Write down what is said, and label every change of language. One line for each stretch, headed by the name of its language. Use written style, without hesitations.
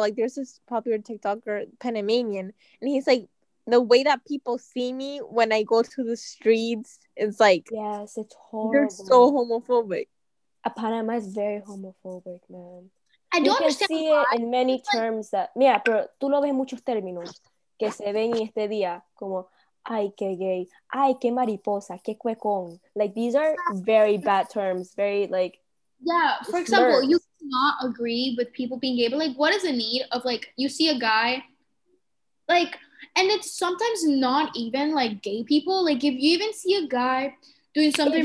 English: Like, there's this popular TikToker, Panamanian, and he's, like, the way that people see me when I go to the streets is, like... Yes, it's horrible. They're so homophobic. Panama is very homophobic, man. I don't understand why. You can see it in many terms that...
Spanish: Mira, pero tú lo ves en muchos términos. Que se ven en este día como ay que gay, ay que mariposa, que cuecón.
English: Like these are very bad terms, very like yeah, for slurs. Example, you cannot agree with people being gay, but like what is the need of like you see a guy like and it's sometimes not even like gay people. Like if you even see a guy doing something